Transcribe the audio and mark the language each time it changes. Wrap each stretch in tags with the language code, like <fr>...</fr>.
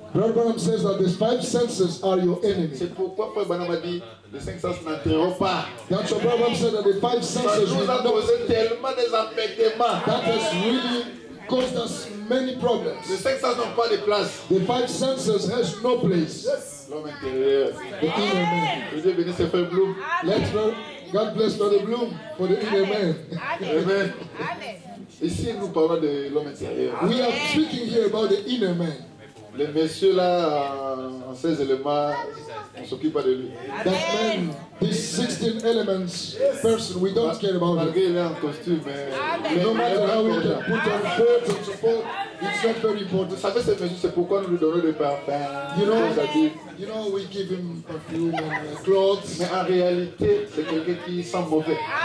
<en>Brother Branham says that the five senses are your enemies.</en> <fr>C'est pourquoi Frère Branham a dit, les cinq sens n'entreront pas.</fr> <en>That's why Brother Branham said that the five senses.</en> <fr>Ça nous a causé tellement des embêtements.</fr> <en>That has really caused us many problems.</en> <fr>Les cinq sens n'ont pas de place.</fr> <en>The five senses has no place.</en> <fr>L'homme intérieur.</fr> <en>The inner man.</en> <fr>Que Dieu bénisse Frère Bloom.</fr> <en>Let's go. God bless Brother Bloom for the inner man. Amen. Amen.</en> <fr>Ici nous parlons de l'homme intérieur.</fr> <en>We are speaking here about the inner man.</en> <fr>Les messieurs là, en 16 éléments, on s'occupe pas de lui.</fr> <en>That man, this 16 elements person, we don't care about him.</en> <fr>Malgré qu'il est en costume, mais</fr> <en>no matter how we can put on shirts and so forth, it's not very important.</en> <fr>Vous savez, ces messieurs, c'est pourquoi nous lui donnons le parfum.</fr> <en>You know, we give him perfume and clothes.</en> <fr>Mais en réalité, c'est quelqu'un qui sent mauvais.</fr>